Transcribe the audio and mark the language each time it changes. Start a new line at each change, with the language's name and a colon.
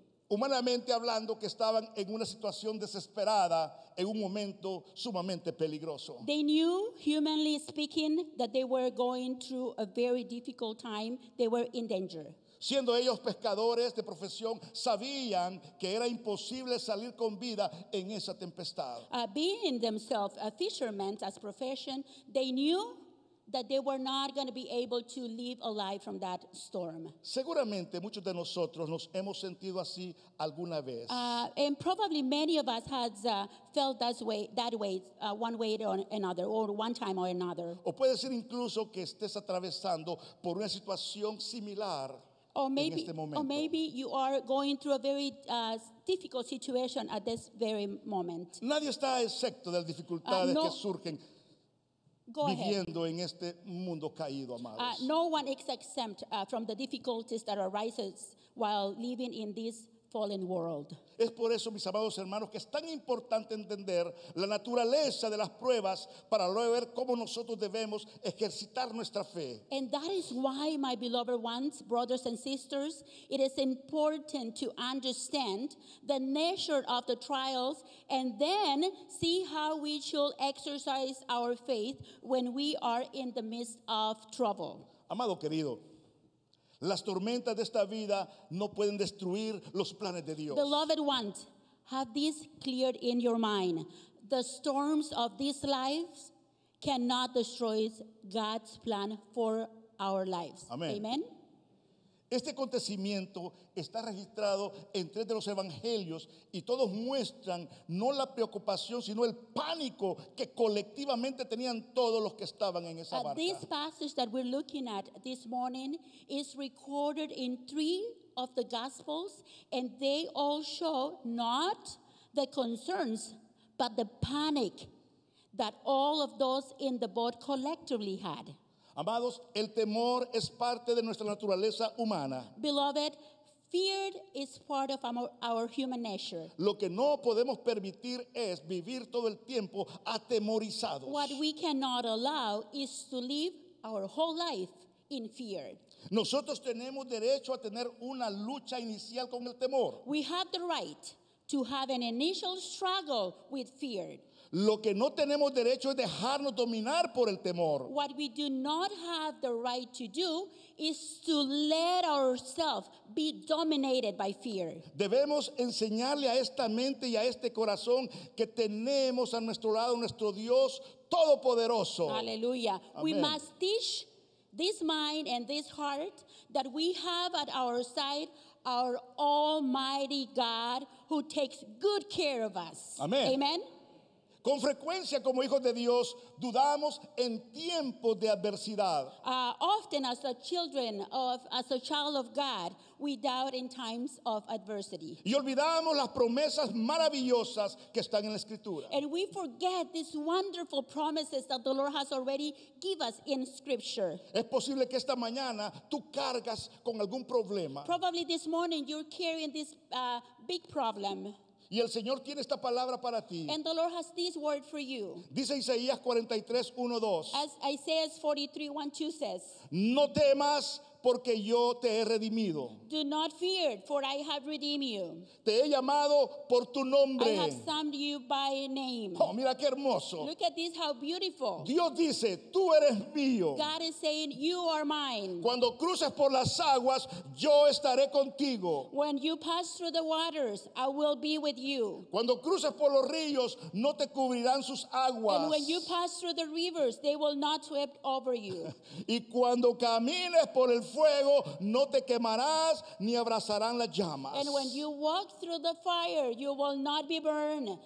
Spanish: Humanamente hablando, que estaban en una situación desesperada, en un momento sumamente peligroso.
English: They knew, humanly speaking, that they were going through a very difficult time. They were in danger.
Spanish: Siendo ellos pescadores de profesión, sabían que era imposible salir con vida en esa tempestad.
English: Being themselves a fisherman as profession, they knew that they were not going to be able to live alive from that storm.
Spanish: Seguramente muchos de nosotros nos hemos sentido así alguna vez.
English: And probably many of us has felt that way one way or another, or one time or another.
Spanish: O puede ser incluso que estés atravesando por una situación similar.
English: Or maybe you are going through a very difficult situation at this very moment.
Spanish: Nadie está exento de las dificultades que surgen viviendo en este mundo caído, amados.
English: No one is exempt from the difficulties that arises while living in this fallen world.
Spanish: Es por eso, mis amados hermanos, que es tan importante entender la naturaleza de las pruebas para luego ver cómo nosotros debemos ejercitar nuestra fe.
English: And that is why, my beloved ones, brothers and sisters, it is important to understand the nature of the trials and then see how we should exercise our faith when we are in the midst of trouble.
Spanish: Amado querido, las tormentas de esta vida no pueden destruir los planes de Dios.
English: Beloved ones, have this cleared in your mind. The storms of these lives cannot destroy God's plan for our lives.
Spanish: Amén. Amen. Este acontecimiento está registrado en tres de los evangelios y todos muestran no la preocupación sino el pánico que colectivamente tenían todos los que estaban en esa barca.
English: This passage that we're looking at this morning is recorded in three of the gospels and they all show not the concerns but the panic that all of those in the boat collectively had.
Spanish: Amados, el temor es parte de nuestra naturaleza humana.
English: Beloved, fear is part of our human nature.
Spanish: Lo que no podemos permitir es vivir todo el tiempo atemorizados.
English: What we cannot allow is to live our whole life in fear.
Spanish: Nosotros tenemos derecho a tener una lucha inicial con el temor.
English: We have the right to have an initial struggle with fear.
Spanish: Lo que no tenemos derecho es dejarnos dominar por el temor.
English: What we do not have the right to do is to let ourselves be dominated by fear.
Spanish: Debemos enseñarle a esta mente y a este corazón que tenemos a nuestro lado nuestro Dios Todopoderoso.
English: Hallelujah. Amen. We must teach this mind and this heart that we have at our side our almighty God who takes good care of us. Amen. Amen.
Spanish: Con frecuencia, como hijos de Dios, dudamos en tiempos de adversidad.
English: Often, as a child of God, we doubt in times of adversity.
Spanish: Y olvidamos las promesas maravillosas que están en la Escritura.
English: And we forget these wonderful promises that the Lord has already given us in Scripture.
Spanish: Es posible que esta mañana tú cargas con algún problema.
English: Probably this morning you're carrying this big problem.
Spanish: Y el Señor tiene esta palabra para ti.
English: And the Lord has this word for you.
Spanish: Dice Isaías 43:1-2.
English: As Isaiah 43:1-2 says.
Spanish: No temas porque yo te he redimido.
English: Do not fear, for I have redeemed you.
Spanish: Te he llamado por tu nombre.
English: I have summoned you by name.
Spanish: Oh, mira qué hermoso.
English: Look at this, how beautiful.
Spanish: Dios dice, tú eres mío.
English: God is saying, you are mine.
Spanish: Cuando cruces por las aguas, yo estaré contigo.
English: When you pass through the waters, I will be with you.
Spanish: Cuando cruces por los ríos, no te cubrirán sus aguas.
English: And when you pass through the rivers, they will not sweep over you.
Spanish: Y cuando camines por el fuego, no te quemarás ni abrazarán las llamas.
English: And when you walk through the fire, you will not be burned.